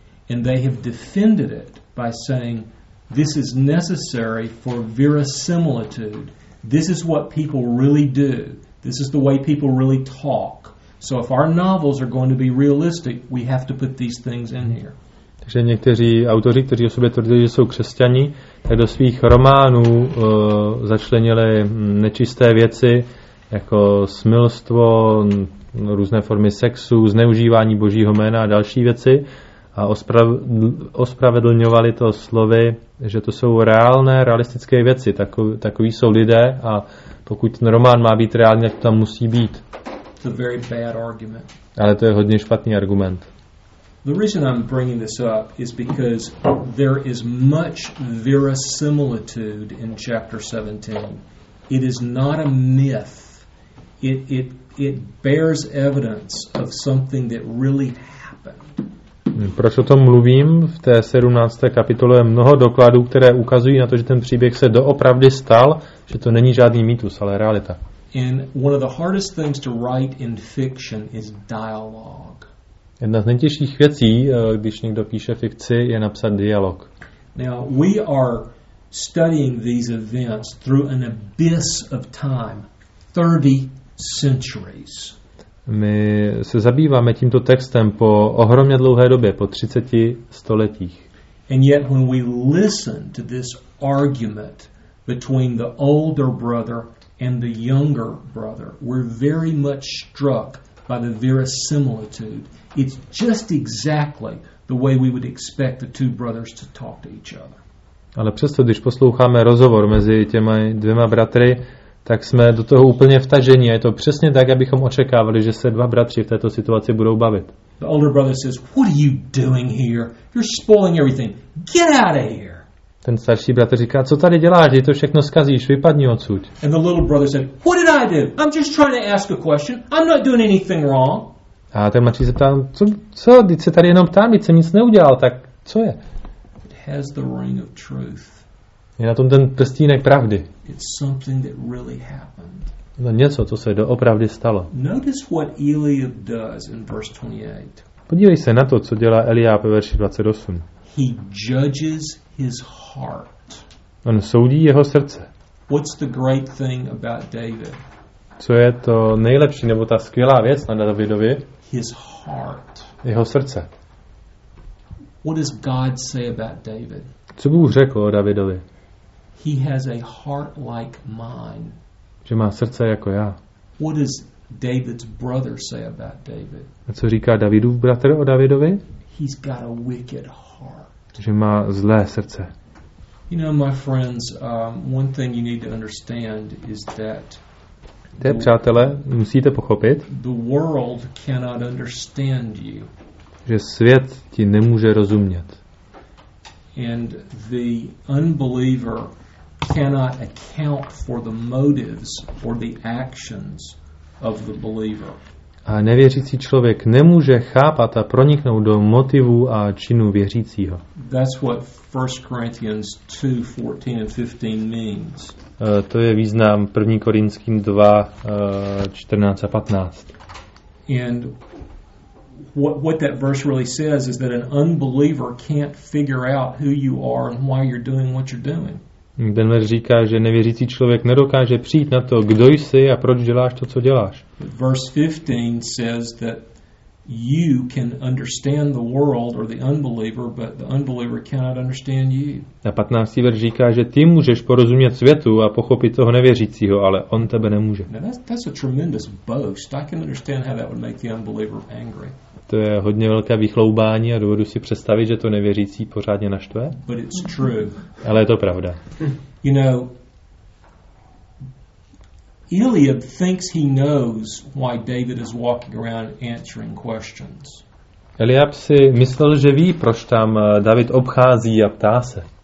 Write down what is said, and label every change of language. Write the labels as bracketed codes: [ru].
[en] And they have defended it by saying, this is necessary for verisimilitude. This is what people really do. This is the way people really talk. So if our novels are going to be realistic, we have to put these things in here. [cs] Takže někteří autoři, kteří o sobě tvrdili, že jsou křesťani, tak do svých románů začlenili nečisté věci, jako smilstvo, různé formy sexu, zneužívání Božího jména a další věci, a ospravedlňovali to slovy, že to jsou reálné, realistické věci, takový jsou lidé, a pokud ten román má být reálný, tak to tam musí být. To je velmi špatný argument. Ale to je hodně špatný argument. [en] The reason I'm bringing this up is because there is much verisimilitude in chapter 17. It is not a myth. It bears evidence of something that really happened. [cs] Proč o tom mluvím? V té 17. kapitole je mnoho dokladů, které ukazují na to, že ten příběh se doopravdy stal, že to není žádný mýtus, ale realita. [en] And one of the hardest things to write in fiction is dialogue. [cs] Jedna z nejtěžších věcí, když někdo píše fikci, je napsat dialog. [en] Now, we are studying these events through an abyss of time, 30 centuries. [cs] My se zabýváme tímto textem po ohromně dlouhé době, po 30 stoletích. [en] And yet when we listen to this argument between the older brother and the younger brother, we're very much struck by the verisimilitude. It's just exactly the way we would expect the two brothers to talk to each other. [cs] Ale přesto, když posloucháme rozhovor mezi těmi dvěma bratry, tak jsme do toho úplně vtaženi. Je to přesně tak, abychom očekávali, že se dva bratři v této situaci budou bavit. [en] The older brother says, "What are you doing here? You're spoiling everything. Get out of here." [cs] Ten starší bratr říká, co tady děláš, ty to všechno zkazíš, vypadni odsud. [en] And the little brother said, "What did I do? I'm just trying to ask a question. I'm not doing anything wrong." [cs] A ten mladší se ptá, co, když se tady jenom ptám, jsem nic neudělal, tak co je? [en] It has the ring of truth. [cs] Je na tom ten prstínek pravdy. [en] It's something that really happened. [cs] No něco, co se doopravdy stalo. [en] Notice what Eliab does in verse 28. [cs] Podívej se na to, co dělá Eliab ve verši 28. [en] He judges his heart. [cs] On soudí jeho srdce. [en] What's the great thing about David? [cs] Co je to nejlepší nebo ta skvělá věc na Davidovi? [en] His heart. [cs] Jeho srdce. [en] What does God say about David? [cs] Co Bůh řekl o Davidovi? [en] He has a heart like mine. [cs] Že má srdce jako já. [en] What does David's brother say about David? [cs] A co říká Davidův bratr o Davidovi? [en] He's got a wicked heart. [cs] Že má zlé srdce. [en] You know, my friends, one thing you need to understand is that [cs] přátelé, musíte pochopit, [en] the world cannot understand you. [cs] Že svět ti nemůže rozumět. [en] And the unbeliever cannot account for the motives or the actions of the believer. [cs] A nevěřící člověk nemůže chápat a proniknout do motivů a činů věřícího. [en] That's what 1 Corinthians 2, 14 and 15 means. [cs] To je význam 1. Korinským 2, 14 a 15. [en] And what that verse really says is that an unbeliever can't figure out who you are and why you're doing what you're doing. [cs] Ten verš říká, že nevěřící člověk nedokáže přijít na to, kdo jsi a proč děláš to, co děláš. [en] Verse 15 says that you can understand the world or the unbeliever, but the unbeliever cannot understand you. [cs] A 15. verš říká, že ty můžeš porozumět světu a pochopit toho nevěřícího, ale on tebe nemůže. [en] Now that's a tremendous boast. I can understand how that would make the unbeliever angry. [cs] To je hodně velké vychloubání a dovedu si představit, že to nevěřící pořádně naštve. [en] But it's true. [cs] Ale je to pravda. [en] You know, Eliab thinks he knows why David is walking around answering questions. [cs] Eliab si myslel, že ví, proč tam David obchází a ptá se.